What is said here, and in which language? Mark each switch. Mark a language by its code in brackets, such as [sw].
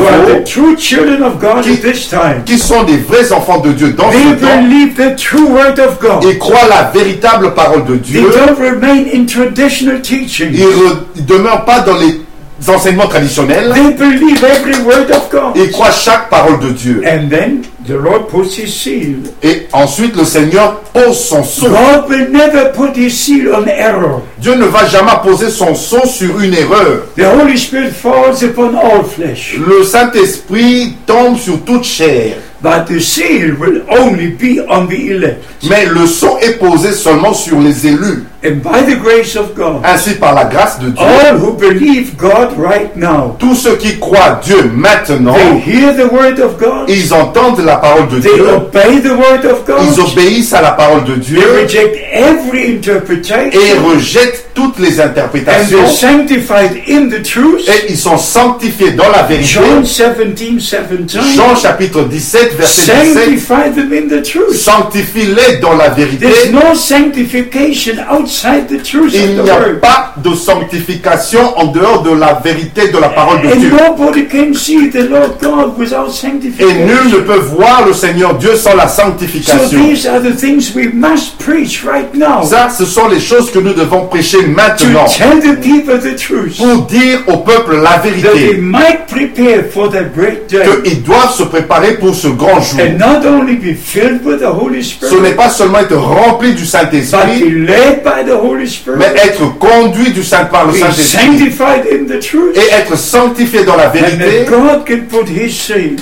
[en] Who are the true children of God at this time. [fr] Qui sont des vrais enfants de Dieu dans ce temps. [en] They believe the true word of God. [fr] Ils croient la véritable parole de Dieu. [en] They don't remain in traditional teaching. [fr] Demeurent pas dans les enseignements traditionnels. [en] They believe every word of God. [fr] Ils croient chaque parole de Dieu. [en] And then the Lord puts his seal. [fr] Et ensuite le Seigneur pose son sceau. [en] God will never put his seal on error. [fr] Dieu ne va jamais poser son sceau sur une erreur. [en] The Holy Spirit falls upon all flesh. [fr] Le Saint-Esprit tombe sur toute chair. [en] But the seal will only be on the elect. [fr] Mais le sceau est posé seulement sur les élus. [en] And by the grace of God. [fr] Ainsi par la grâce de Dieu. [en] All who believe God right now. [fr] Tous ceux qui croient Dieu maintenant. [en] They hear the word of God. [fr] Ils entendent la parole de [en] they [fr] Dieu. [en] They obey the word of God. [fr] Ils obéissent à la parole de Dieu. [en] They reject every interpretation. [fr] Et rejettent toutes les interprétations. [en] And they're sanctified in the truth. [fr] Et ils sont sanctifiés dans la vérité. [en] John 17:17. [fr] Jean chapitre 17. 7, verset 17, sanctifie-les dans la vérité. [en] There's no sanctification outside the truth. [fr] Il n'y a pas de sanctification en dehors de la vérité de la parole de Dieu. [en] Nobody can see the Lord God without sanctification. [fr] Et nul ne peut voir le Seigneur Dieu sans la sanctification. [en] So these are the things we must preach right now. [fr] Ça, ce sont les choses que nous devons prêcher maintenant. [en] To tell the people the truth. [fr] Pour dire au peuple la vérité. [en] That they might prepare for the great day. [fr] Qu'ils doivent se préparer pour ce grand jour. [en] And not only be filled with the Holy Spirit. [fr] Ce n'est pas seulement être rempli du Saint-Esprit. [en] But be led by the Holy Spirit. [fr] Mais être conduit du Saint par le Saint-Esprit. [en] Sanctified in the truth. [fr] Et être sanctifié dans la vérité. [en] And God can put His seal.